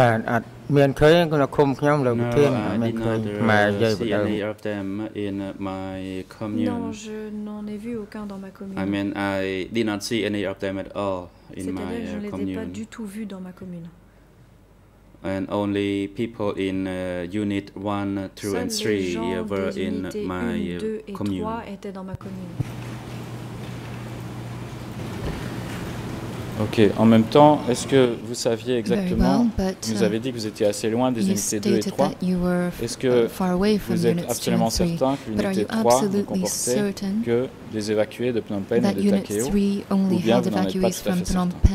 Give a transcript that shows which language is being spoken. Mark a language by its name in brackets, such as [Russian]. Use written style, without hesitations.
[English] I did not see any of them in my commune. [French] Non, je n'en ai vu aucun dans ma commune. [English] I mean, I did not see any of them at all in my commune. [French] C'est-à-dire, je ne les ai pas du tout vus dans ma commune. [English] And only people in unit 1, 2 and 3 were in my commune. [French] Seuls les gens des unités 1, 2 et 3 commune. Ok, en même temps, est-ce que vous saviez exactement, vous avez dit que vous étiez assez loin des unités 2 et 3, est-ce que vous êtes absolument certain que l'unité 3 ne comportait que des évacués de Phnom Penh et de Takeo, ou bien vous n'en êtes pas tout à fait certain?